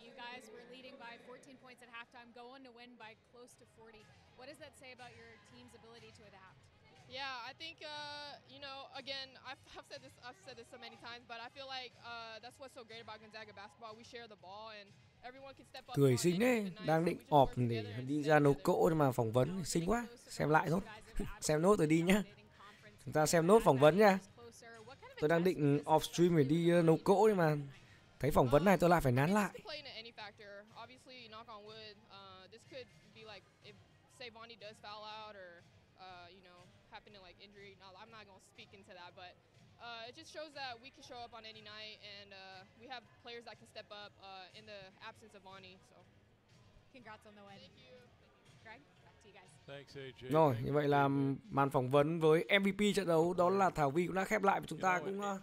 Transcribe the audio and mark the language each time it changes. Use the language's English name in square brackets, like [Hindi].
[English] You guys were leading by 14 points at halftime, going to win by close to 40. What does that say about your team's ability to adapt? Yeah, I think, you know, again, I've said this so many times, but I feel like that's what's so great about Gonzaga basketball. We share the ball and everyone can step up. [Vietnamese] Cười xinh đấy, đang định off để đi ra nấu cỗ nhưng mà phỏng vấn xinh quá. Xem lại thôi. Xem nốt rồi đi nhá. Chúng ta xem nốt phỏng vấn nha. Tôi đang định off stream để đi nấu cỗ nhưng mà thấy phỏng vấn này tôi lại phải nán lại. [English] Obviously, knock on wood, this could be like if say Vonny does foul out or you know, happen to like injury. No, I'm not going to speak into that, but it just shows that we can show up on any night and we have players that can step up in the absence of Vonny. So congrats on the win. Thank you. Greg, back to you guys. Thanks, AJ. [Vietnamese] Rồi, như vậy là màn phỏng vấn với MVP trận đấu đó là Thảo Vy cũng đã khép lại, và chúng ta cũng